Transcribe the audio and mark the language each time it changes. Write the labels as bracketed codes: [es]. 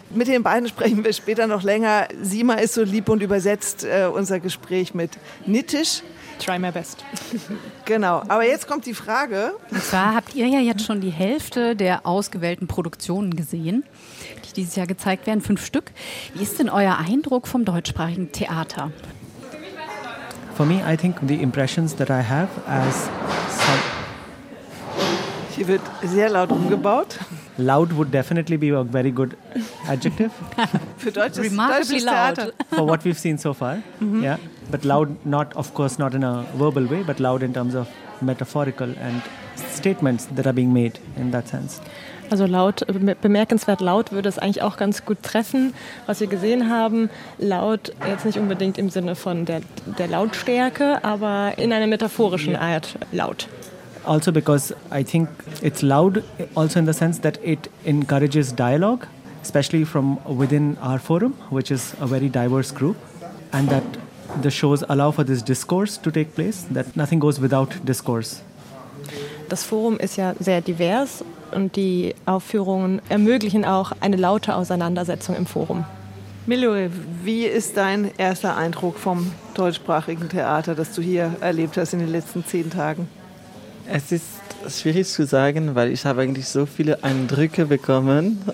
[de] Mit den beiden sprechen wir später noch länger. Sima ist so lieb und übersetzt unser Gespräch mit Nitish. [en] Try my best. [de] Genau, aber jetzt kommt die Frage. Und zwar habt ihr ja jetzt schon die Hälfte der ausgewählten Produktionen gesehen, die dieses Jahr gezeigt werden, 5 Stück. Wie ist denn euer Eindruck vom deutschsprachigen Theater? [en] For me, I think the impressions that I have as... [de] Hier wird sehr laut umgebaut. [en] Loud would definitely be a very good adjective. [de] Für deutsches, [en] remarkably [de] deutsches [en] loud. Theater. For what we've seen so far, mm-hmm. Yeah. But loud, not of course, not in a verbal way, but loud in terms of metaphorical and statements that are being made in that sense. [de] Also laut, bemerkenswert laut würde es eigentlich auch ganz gut treffen, was wir gesehen haben. Laut jetzt nicht unbedingt im Sinne von der Lautstärke, aber in einer metaphorischen Art laut. Also because I think it's loud also in the sense that it encourages dialogue, especially from within our forum, which is a very diverse group, and that the shows allow for this discourse to take place, that nothing goes without discourse. Das Forum ist ja sehr divers. Und die Aufführungen ermöglichen auch eine laute Auseinandersetzung im Forum. Milloy, wie ist dein erster Eindruck vom deutschsprachigen Theater, das du hier erlebt hast in den letzten 10 Tagen? Es ist schwierig zu sagen, weil ich habe eigentlich so viele Eindrücke bekommen.